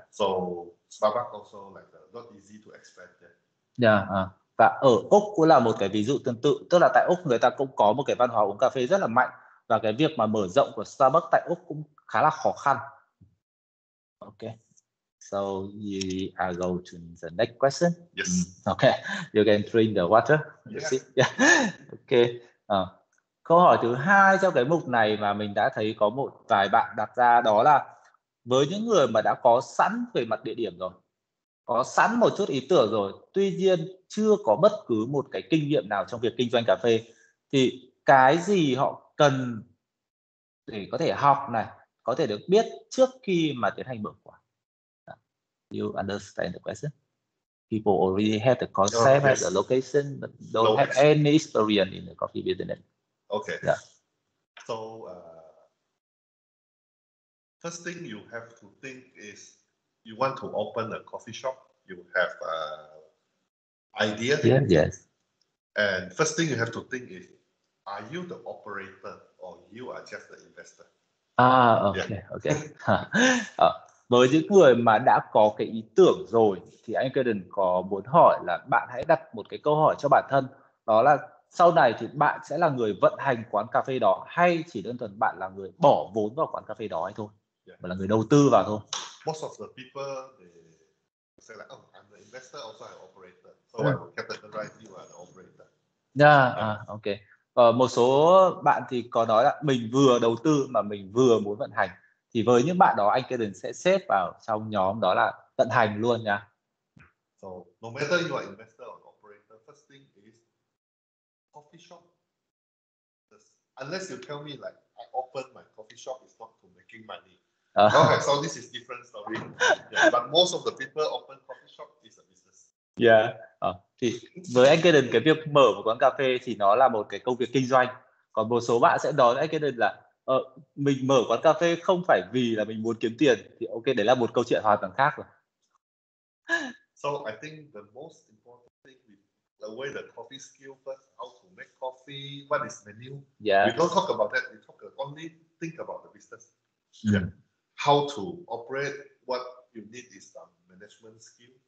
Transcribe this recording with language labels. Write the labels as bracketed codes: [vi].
[en] So Starbucks also like not easy to expand there. Yeah. [vi] Và ở Úc cũng là một cái ví dụ tương tự, tức là tại Úc người ta cũng có một cái văn hóa uống cà phê rất là mạnh, và cái việc mà mở rộng của Starbucks tại Úc cũng khá là khó khăn. [en] Okay, so we are go to the next question. Yes. Okay, you can drink the water. Yes. Yeah. Okay. [vi] Câu hỏi thứ hai trong cái mục này mà mình đã thấy có một vài bạn đặt ra, đó là với những người mà đã có sẵn về mặt địa điểm rồi, có sẵn một chút ý tưởng rồi, tuy nhiên chưa có bất cứ một cái kinh nghiệm nào trong việc kinh doanh cà phê, thì cái gì họ cần để có thể học này, có thể được biết trước khi mà tiến hành mở quán? [en] You understand the question? People already have the concept, have the location, but don't have any experience in the coffee business. Okay. Yeah. So, first thing you have to think is, you want to open a coffee shop, you have idea. Yeah, yes. And first thing you have to think is, are you the operator or you are just the investor? Okay. [vi] Với những người mà đã có cái ý tưởng rồi, thì anh Kaden có muốn hỏi là bạn hãy đặt một cái câu hỏi cho bản thân, đó là sau này thì bạn sẽ là người vận hành quán cà phê đó, hay chỉ đơn thuần bạn là người bỏ vốn vào quán cà phê đó hay thôi, và là người đầu tư vào thôi. [en] Most of the people they say like, oh, I'm the investor, also I'm operator. So I will categorize you as the operator. Okay. [vi] Một số bạn thì có nói là mình vừa đầu tư mà mình vừa muốn vận hành. Thì với những bạn đó anh Kaden sẽ xếp vào trong nhóm đó là vận hành luôn nha. [en] So no matter you are investor or operator, first thing is coffee shop. Unless you tell me like I open my coffee shop is not to making money. Okay, so this is different story. Yeah, but most of the people open coffee shop is a business. Yeah. [vi] Thì với anh Kaden, cái việc mở một quán cà phê thì nó là một cái công việc kinh doanh. Còn một số bạn sẽ đón anh Kaden là mình mở quán cà phê không phải vì là mình muốn kiếm tiền, thì ok, đấy là một câu chuyện hoàn toàn khác rồi. [en] So I think the most important thing with the way the coffee skill first, how to make coffee, what is menu. Yeah. We don't talk about that, we talk only think about the business. Yeah. How to operate, what you need is the management skill.